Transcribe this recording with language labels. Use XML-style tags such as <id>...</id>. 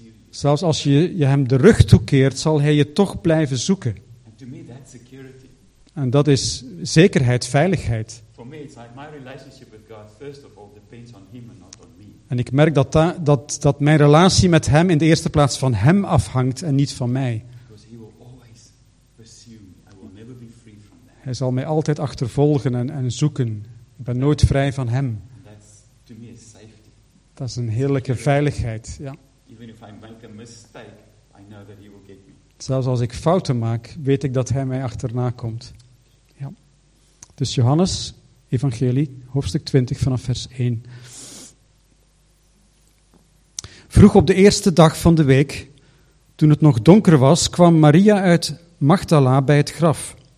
<nl>Zelfs als je hem de rug toekeert, zal hij je toch blijven zoeken.</nl> <en>And to me that's security.</en> <nl>En dat is zekerheid, veiligheid.</nl> <en>For me, it's like my relationship with God, first of all, depends on him and not on me.</en> <nl>En ik merk dat mijn relatie met hem in de eerste plaats van hem afhangt en niet van mij.</nl> <en>Because he will always pursue me. I will never be free from that.</en> <nl>Hij zal mij altijd achtervolgen en zoeken. Ik ben nooit vrij van hem.</nl> <en>And that's, to me, is safety.</en> <nl>Dat is een heerlijke security. Veiligheid, ja.</nl> <en>Even if I make a mistake, I know that he will get me.</en> <nl>Zelfs als ik fouten maak, weet ik dat hij mij achterna komt. Ja. Dus Johannes, Evangelie, hoofdstuk 20 vanaf vers 1. Vroeg op de eerste dag van de week, toen het nog donker was, kwam Maria uit Magdala bij het graf.</nl>